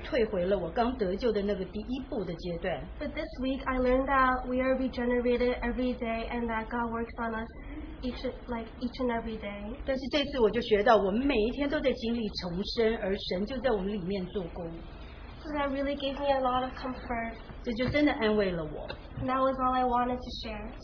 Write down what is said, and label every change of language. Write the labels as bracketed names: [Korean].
[Chinese] 当我犯罪的时候，我总觉得我好像是退回了我刚得救的那个第一步的阶段。 [English] But this week, I learned that we are regenerated every day and that God works on us each and every day. [Chinese] 但是这次我就学到，我们每一天都在经历重生，而神就在我们里面做工。 [English] So that really gave me a lot of comfort. [Chinese] 这就真的安慰了我。 [English] And that was all I wanted to share.